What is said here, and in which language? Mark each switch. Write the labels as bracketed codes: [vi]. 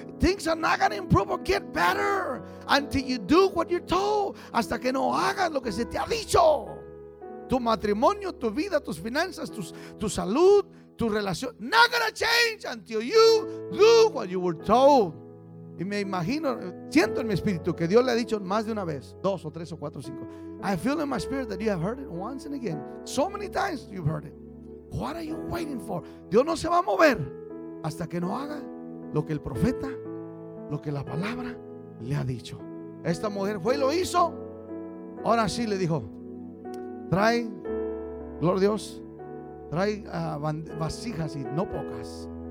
[en] Things are not gonna improve or get better until you do what you're told. [es] Hasta que no hagas lo que se te ha dicho. Tu matrimonio, tu vida, tus finanzas, tu salud, tu relación. [en] Not gonna change until you do what you were told. [es] Y me imagino, siento en mi espíritu que Dios le ha dicho más de una vez, dos o tres o cuatro o cinco. [en] I feel in my spirit that you have heard it once and again. So many times you've heard it. What are you waiting for? [es] Dios no se va a mover hasta que no haga lo que el profeta, lo que la palabra le ha dicho. Esta mujer fue y lo hizo. Ahora sí le dijo: trae, gloria a Dios, trae vasijas y no pocas.